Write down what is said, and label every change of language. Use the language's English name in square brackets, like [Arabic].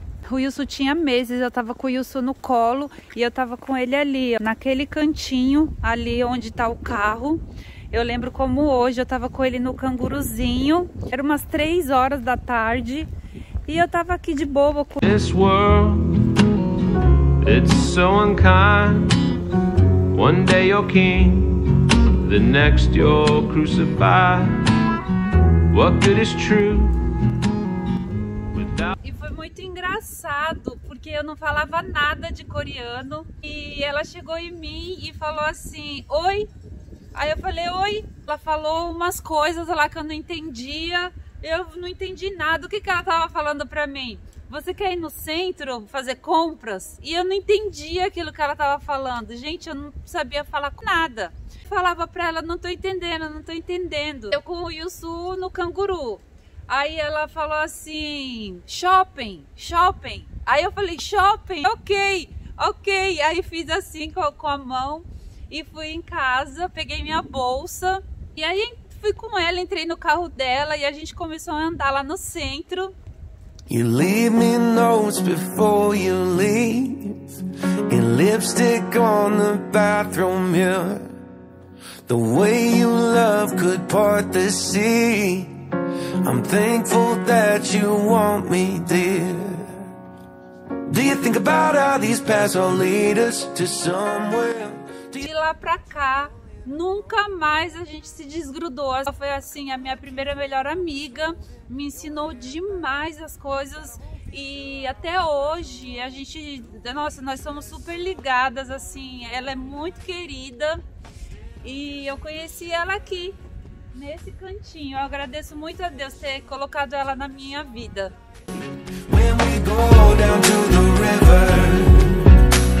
[Portuguese] O Yusu tinha meses, eu tava com o Yusu no colo e eu tava com ele ali, naquele cantinho ali onde tá o carro. Eu lembro como hoje, eu tava com ele no canguruzinho. Era umas 3 horas da tarde e eu tava aqui de boa com [English] This world. It's so unkind. One day you're king, the next you're crucified. What good is true? [Portuguese] E foi muito engraçado, porque eu não falava nada de coreano. E ela chegou em mim e falou assim: oi. Aí eu falei: oi. Ela falou umas coisas lá que eu não entendia. Eu não entendi nada. O que ela tava falando pra mim? Você quer ir no centro fazer compras? E eu não entendia aquilo que ela estava falando. Gente, eu não sabia falar com nada. Falava para ela, não tô entendendo. Eu com o Yusu no canguru. Aí ela falou assim, shopping. Aí eu falei, shopping? Ok. Aí fiz assim com a mão e fui em casa, peguei minha bolsa. E aí fui com ela, entrei no carro dela e a gente começou a andar lá no centro. [English] You leave me notes before you leave, and lipstick on the bathroom mirror. The way you love could part the sea. I'm thankful that you want me, dear. Do you think about how these paths will lead us to somewhere? [Portuguese] De lá pra cá, nunca mais a gente se desgrudou. Ela foi assim, a minha primeira melhor amiga. Me ensinou demais as coisas. E até hoje, a gente... Nossa, nós somos super ligadas, assim. Ela é muito querida. E eu conheci ela aqui, nesse cantinho. Eu agradeço muito a Deus ter colocado ela na minha vida. [English] When we go down to the river.